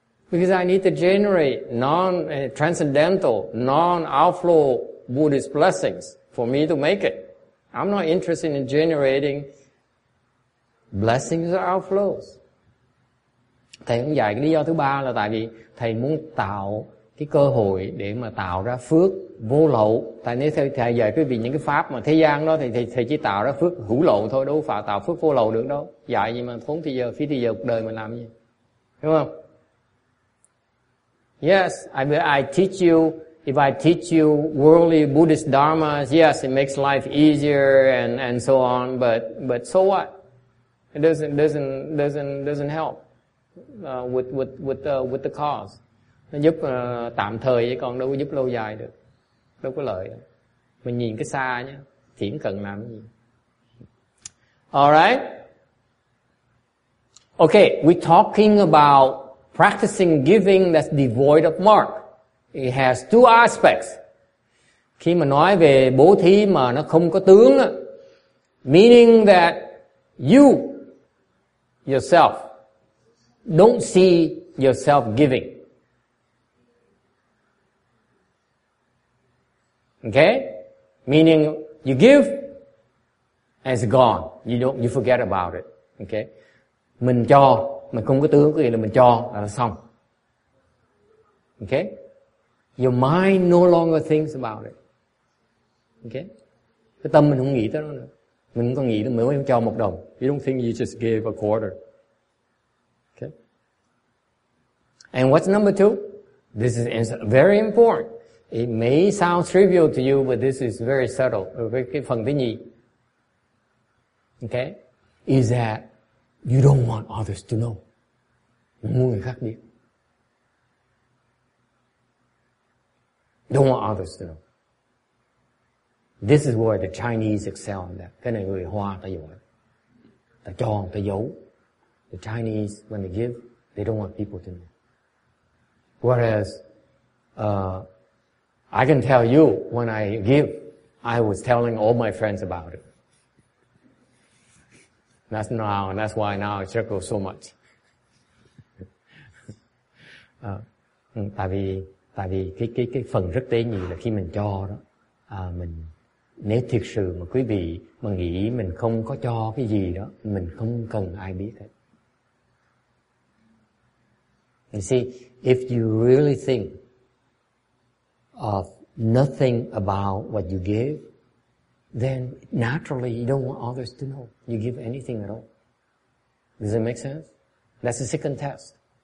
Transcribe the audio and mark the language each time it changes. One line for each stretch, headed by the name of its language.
English: Because I need to generate transcendental, non-outflow Buddhist blessings for me to make it. I'm not interested in generating blessings or outflows.
Vietnamese: Thầy cũng dạy cái lý do thứ ba là tại vì thầy muốn tạo cái cơ hội để mà tạo ra phước vô lậu. Tại nếu thầy dạy quý vị những cái pháp mà thế gian đó thì thầy chỉ tạo ra phước hữu lậu thôi, đâu phải tạo phước vô lậu được đâu. Dạy gì mà thốn thì giờ, phí thì giờ cuộc đời mà làm gì. Đúng không?
English: Yes, if I teach you worldly Buddhist dharmas, yes, it makes life easier and so on, but so what? It doesn't help with the cause.
Vietnamese: Nó giúp tạm thời chứ còn đâu có giúp lâu dài được. Đâu có lợi. Mình nhìn cái xa nhá, thiển cận làm cái gì.
English: All right. Okay, we're talking about practicing giving that's devoid of mark. It has two aspects.
Vietnamese: Khi mà nói về bố thí mà nó không có tướng,
English: meaning that you yourself don't see yourself giving. Okay? Meaning you give and it's gone. You forget about it. Okay?
Vietnamese: Mình cho, mình không có tướng, có nghĩa là mình cho là xong. Okay?
English: Your mind no longer thinks about it. Okay?
Vietnamese: Cái tâm mình không nghĩ tới nó nữa. Mình không nghĩ tới mình mới cho một đồng.
English: You don't think you just gave a quarter. Okay? And what's number two? This is very important. It may sound trivial to you, but this is very subtle.
Vietnamese: Cái phần thứ nhì. Okay?
English: Is that you don't want others to know.
Vietnamese: Mình muốn người khác biết.
English: Don't want others to know. This is where the Chinese excel in that.
Vietnamese: Cái này người Hoa ta giỏi. Ta cho, ta giấu.
English: The Chinese, when they give, they don't want people to know. Whereas, I can tell you, when I give, I was telling all my friends about it. That's now, and that's why now I circle so much.
Vietnamese: Tại vì cái phần rất tế nhị là khi mình cho đó, mình nếu thiệt sự mà quý vị mà nghĩ mình không có cho cái gì đó, mình không cần ai biết hết.
English: You see, if you really think of nothing about what you give, then naturally you don't want others to know you give anything at all. Does it make sense? That's the second test.